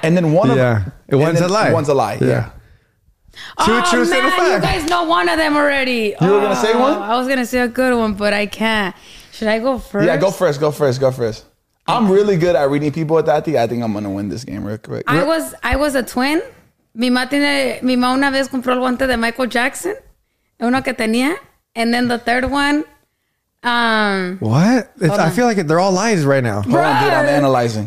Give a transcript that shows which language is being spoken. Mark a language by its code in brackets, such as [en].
[en] And then one of them. One's a lie. One's a lie. Yeah. Two truths and a fact. You guys know one of them already. You were gonna say one? I was gonna say a good one, but I can't. Should I go first? Yeah, go first. I'm really good at reading people with that. I think I'm gonna win this game real quick. I was a twin. [es] Mi mamá una vez compró el guante de Michael Jackson. Uno que tenía. [en] And then the third one. What? I feel like they're all lies right now. Bruh. Hold on, dude. I'm analyzing.